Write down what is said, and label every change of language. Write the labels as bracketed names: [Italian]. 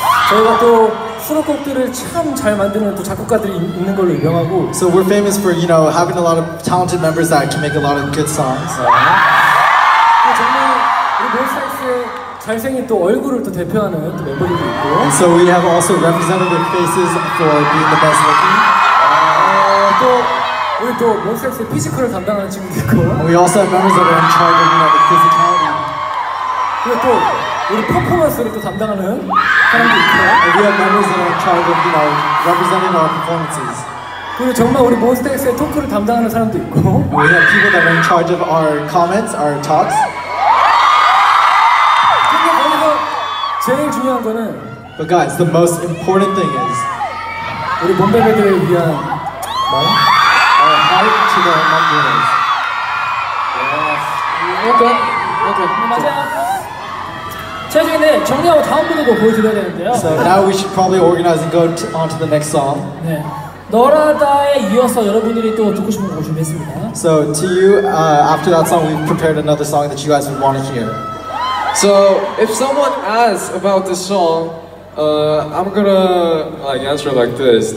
[Korean] 저희가 또 수록곡들을 참 잘 만드는 또 작곡가들이 있는 걸로 유명하고. [English] So we're famous for, you know, having a lot of talented members that can make a lot of good songs. [Korean] 정말 우리 Monsta X의 잘생긴 또 얼굴을 또 대표하는 또 멤버들도 있고. [English] And so we have also representative faces for being the best looking. [Korean] 또 우리 또 Monsta X의 피지컬을 담당하는 친구도 있고. [English] And we also have members that are in charge of, you know, the physicality. [Korean] 그리고 또 우리 퍼포먼스를 또 담당하는 사람도 있고요. [English] And we have members that are in charge of, you know, representing our performances. [Korean] 그리고 정말 우리 Monsta X의 토크를 담당하는 사람도 있고. [English] And we have people that are in charge of our comments, our talks. [Korean] 근데 거기서 제일 중요한 거는. [English] But guys, the most important thing is [Korean] 우리 몬베베들을 위한 뭐? [English] Our heart to the members. Yes. Okay. [Korean] 맞아. 최종인데 정리하고 다음 분들도 보여드려야 되는데요. [English] So now we should probably organize and go on to the next song. [Korean] 네, 너라다에 이어서 여러분들이 또 듣고 싶은 곡 준비했습니다. [English] So to you, after that song, we've prepared another song that you guys would want to hear. So if someone asks about this song, I'm gonna like answer like this.